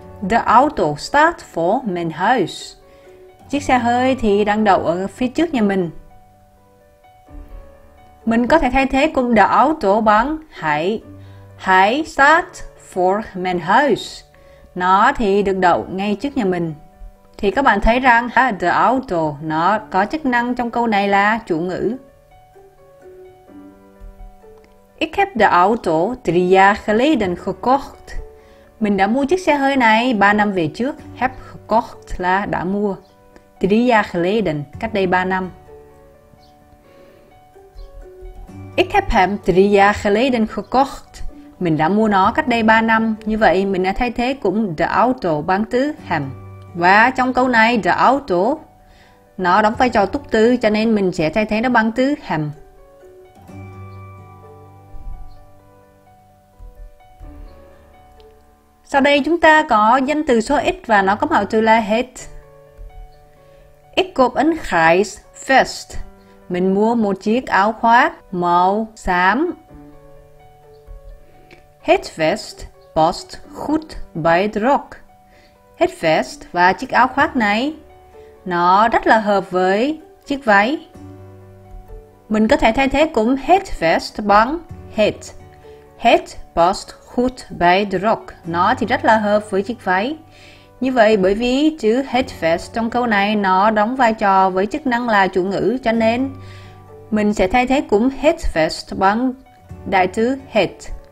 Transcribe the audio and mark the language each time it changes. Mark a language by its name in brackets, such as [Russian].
[Dutch] The auto staat voor mijn huis. [Vietnamese] Chiếc xe hơi thì đang đậu ở phía trước nhà mình. Mình có thể thay thế cùng the auto bằng hij. [Dutch] Hij staat voor mijn huis. [Vietnamese] Nó thì được đậu ngay trước nhà mình. Thì các bạn thấy rằng the auto nó có chức năng trong câu này là chủ ngữ. [Dutch] Ik heb de auto 3 jaar geleden gekocht. [Vietnamese] Mình đã mua chiếc xe hơi này 3 năm về trước. Heb gekocht là đã mua. [Dutch] 3 jaar geleden, [Vietnamese] cách đây 3 năm. [Dutch] Ik heb hem 3 jaar geleden gekocht. [Vietnamese] Mình đã mua nó cách đây 3 năm. Như vậy, mình đã thay thế cũng de auto bằng từ hem. Và trong câu này, de auto, nó đóng vai trò túc từ, cho nên mình sẽ thay thế nó bằng từ hem. Sau đây chúng ta có danh từ số ít và nó có mạo từ là het. [Dutch] Ik koop een grijs vest. [Vietnamese] Mình mua một chiếc áo khoác màu xám. [Dutch] Het vest past goed bij de rok. [Vietnamese] Het vest và chiếc áo khoác này nó rất là hợp với chiếc váy. Mình có thể thay thế cùng het vest bằng het. [Dutch] Het past goed bij de rok. [Vietnamese] Nó thì rất là hợp với chiếc váy. Như vậy, bởi vì chữ het vest trong câu này nó đóng vai trò với chức năng là chủ ngữ, cho nên mình sẽ thay thế cùng het vest bằng đại từ het.